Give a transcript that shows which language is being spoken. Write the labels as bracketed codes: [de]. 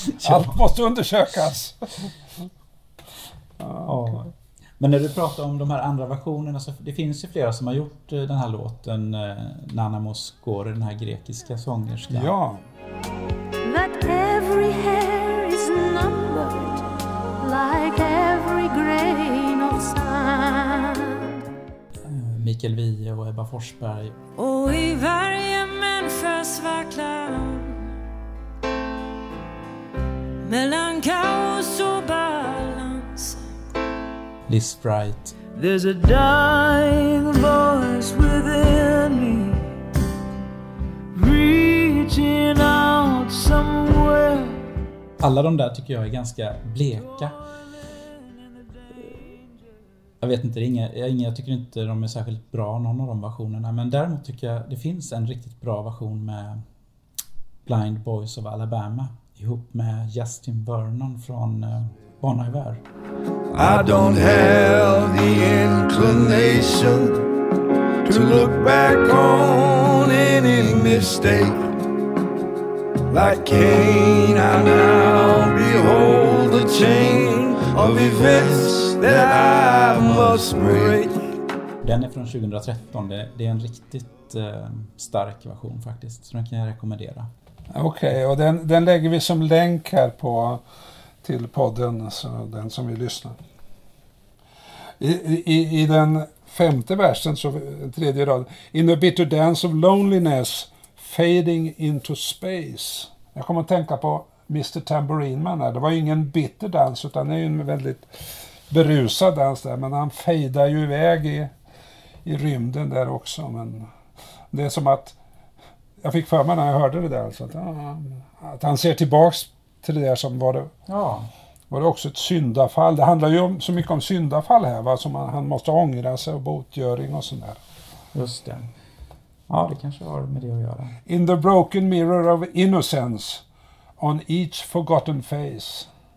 [sv] Allt måste undersökas. Ja, okay. Men när du pratar om de här andra versionerna, så det finns ju flera som har gjort den här låten, Nana Moskori, den här grekiska sångerskan. Ja. [en] That every hair is numbered like every grain of sand. [sv] Mikael Wiehe och Ebba Forsberg. Och i varje människas vackla mellan kaos och balans. [en] Liz Bright. There's a dying voice within me, reaching out somewhere. [sv] Alla de där tycker jag är ganska bleka. Jag vet inte, jag tycker inte de är särskilt bra, någon av de versionerna. Men däremot tycker jag det finns en riktigt bra version med Blind Boys of Alabama ihop med Justin Vernon från Bon Iver. [en] I don't have the inclination to look back on any mistake. Like Cain, I now behold the chain of events that I must break. [sv] Den är från 2013. Det är en riktigt stark version faktiskt. Så den kan jag rekommendera. Okej, okay, och den lägger vi som länk här på till podden, så den som vill lyssna. I den femte versen, så tredje rad, [en] in the bitter dance of loneliness, Fading into Space. [sv] Jag kommer att tänka på Mr. Tambourine Man här. Det var ju ingen bitter dans, utan det är ju en väldigt berusad dans där. Men han fejdar ju iväg i rymden där också. Men det är som att jag fick för mig när jag hörde det där. Alltså, att han ser tillbaks till det där som var det, ja. Var det också ett syndafall. Det handlar ju om, så mycket om syndafall här. Va? Som han måste ångra sig och botgöring och sånt där. Just det. Ja, det kanske har med det att göra. [en] In the broken mirror of innocence on each forgotten face.